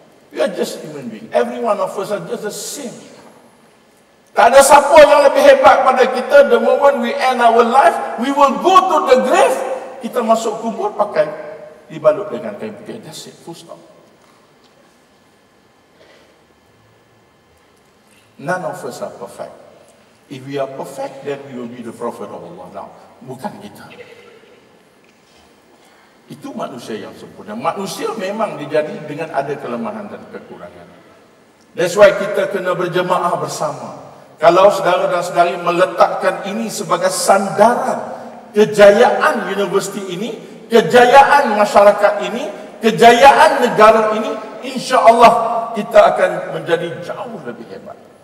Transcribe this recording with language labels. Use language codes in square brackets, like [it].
[en] We are just human beings. Every one of us are just the same. [ms] Tak ada siapa yang lebih hebat pada kita. [en] The moment we end our life, we will go to the grave. [ms] Kita masuk kubur pakai dibalut dengan kain putih. [en] That's it. Full stop. None of us are perfect. If we are perfect, then we will be the prophet of Allah. [ms] Now, bukan kita. Itu manusia yang sempurna. Manusia memang dijadi dengan ada kelemahan dan kekurangan. That's why kita kena berjemaah bersama. Kalau saudara dan saudari meletakkan ini sebagai sandaran kejayaan universiti ini, kejayaan masyarakat ini, kejayaan negara ini, insya Allah kita akan menjadi jauh lebih hebat.